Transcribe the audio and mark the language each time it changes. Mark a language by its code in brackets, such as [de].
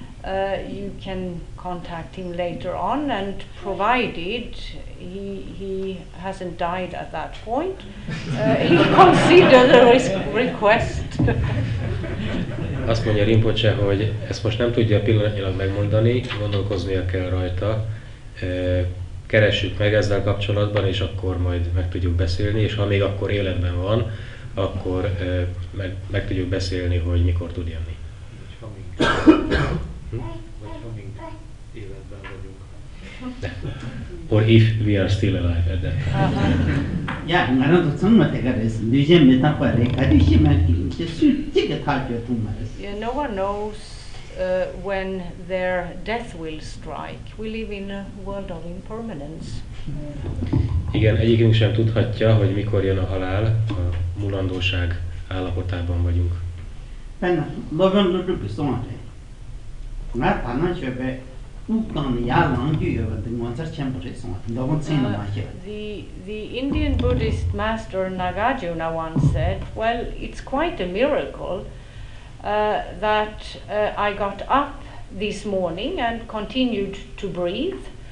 [en] You can contact him later on, and provided he hasn't died at that point, he'll consider the request. [hu] Azt mondja Rinpoche, hogy ezt most nem tudja pillanatnyilag megmondani, gondolkoznia kell rajta. Keressük meg ezzel kapcsolatban, és akkor majd meg tudjuk beszélni, és ha még akkor életben van, akkor meg tudjuk beszélni, hogy mikor tud jönni. [en] Or if we are still alive at that time. Yeah, no one knows when their death will strike. We live in a world of impermanence. [hu] Igen, egyikünk sem tudhatja, hogy mikor jön a halál, a mulandóság állapotában vagyunk. [en] The Indian Buddhist master Nagarjuna once said, well, it's quite a miracle that I got up this morning and continued to breathe.